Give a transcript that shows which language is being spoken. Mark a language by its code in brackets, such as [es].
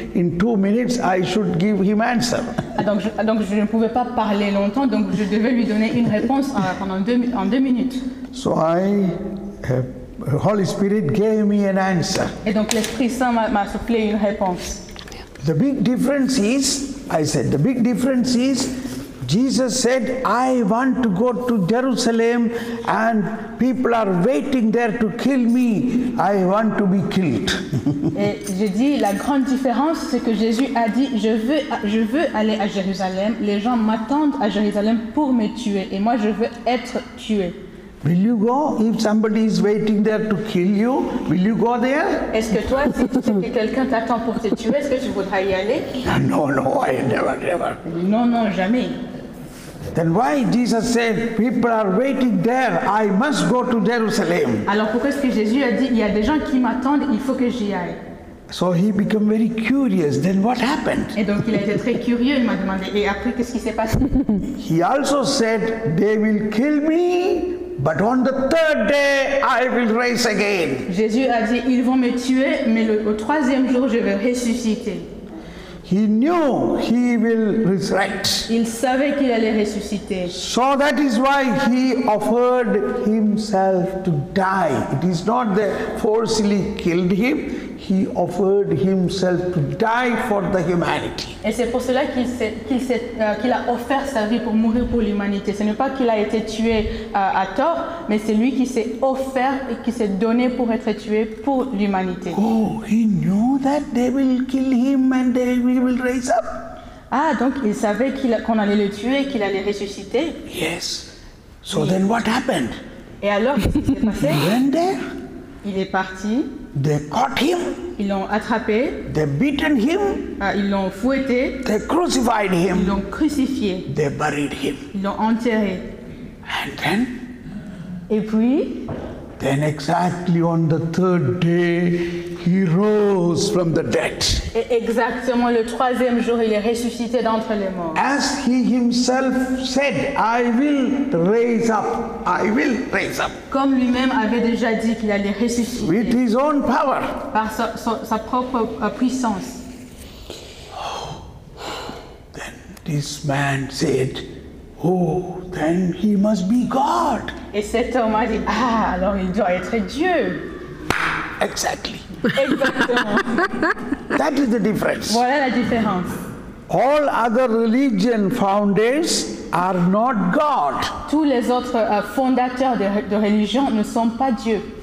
[en] In 2 minutes, I should give him answer. [fr] Donc je ne pouvais pas parler longtemps, donc je devais lui donner une réponse en deux minutes. [en] So I, Holy Spirit gave me an answer. [fr] Et donc l'Esprit Saint m'a soufflé une réponse. [en] The big difference is, I said, the big difference is, Jesus said, I want to go to Jerusalem and people are waiting there to kill me. I want to be killed. [fr] Et je dis, la grande différence, c'est que Jésus a dit, je veux aller à Jérusalem. Les gens m'attendent à Jérusalem pour me tuer. Et moi, je veux être tué. [en] Will you go if somebody is waiting there to kill you? Will you go there? [fr] Est-ce que toi, si quelqu'un t'attend pour te tuer, est-ce que tu voudras y aller? [en] No, I never. [fr] Non, jamais. [en] Then why Jesus said people are waiting there? I must go to Jerusalem. [fr] Alors pourquoi est-ce que Jésus a dit il y a des gens qui m'attendent, il faut que j'y aille? [en] So he became very curious. Then what happened? [fr] Et donc il a été très curieux. Il m'a demandé. Et après qu'est-ce qui s'est passé? [en] He also said they will kill me. But on the third day, I will rise again. [fr] Jésus a dit, ils vont me tuer, mais au troisième jour, je vais ressusciter. [en] He knew he will resurrect. [fr] Il savait qu'il allait ressusciter. [en] So that is why he offered himself to die. It is not that forcibly killed him. He offered himself to die for the humanity. [fr] Et c'est pour cela qu'il a offert sa vie pour mourir pour l'humanité. Ce n'est pas qu'il a été tué à tort, mais c'est lui qui s'est offert et qui s'est donné pour être tué pour l'humanité. [en] Oh, he knew that they will kill him and they will raise up. [fr] Ah, donc il savait qu'on allait le tuer et qu'il allait ressusciter. [en] Yes. So then what happened? [fr] Et alors, qu'est-ce qui s'est passé? [en] He went there. [fr] Il est parti. [en] They caught him. [fr] Ils l'ont attrapé. [en] They beaten him. [fr] Ils l'ont fouetté. [en] They crucified him. [fr] Ils l'ont crucifié. [en] They buried him. [fr] Ils l'ont enterré. [en] And then? [fr] Et puis? [en] Then exactly on the third day, he rose from the dead. [fr] Et exactement le troisième jour, il est ressuscité d'entre les morts. [en] As he himself said, I will raise up. I will raise up. [fr] Comme lui-même avait déjà dit qu'il allait ressusciter. [en] With his own power. [fr] Par sa propre puissance. [en] Then this man said, oh, then he must be God. [fr] Et cet homme a dit, ah, alors il doit être Dieu. [en] Exactly. [fr] Exactement. [en] That is the difference. [fr] Voilà la différence. [en] All other religion founders are not God. [fr] Tous les autres fondateurs de religion ne sont pas Dieu.